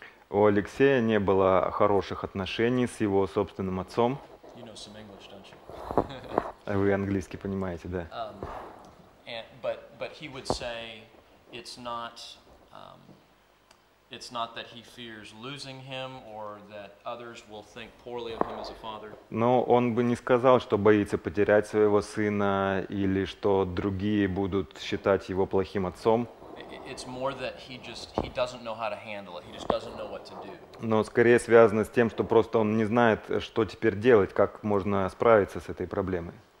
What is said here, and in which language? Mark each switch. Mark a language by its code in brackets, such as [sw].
[ru] У Алексея не было хороших отношений с его собственным отцом. [en] You know some English, don't you? [ru] Вы английский понимаете, да. [en] But he would say it's not that he fears losing him or that others will think poorly of him as a father. [ru] Но он бы не сказал, что боится потерять своего сына или что другие будут считать его плохим отцом. [en] It's more that he doesn't know how to handle it. He just doesn't know what to do. [ru] Но скорее связано с тем, что просто он не знает, что теперь делать, как можно справиться с этой проблемой.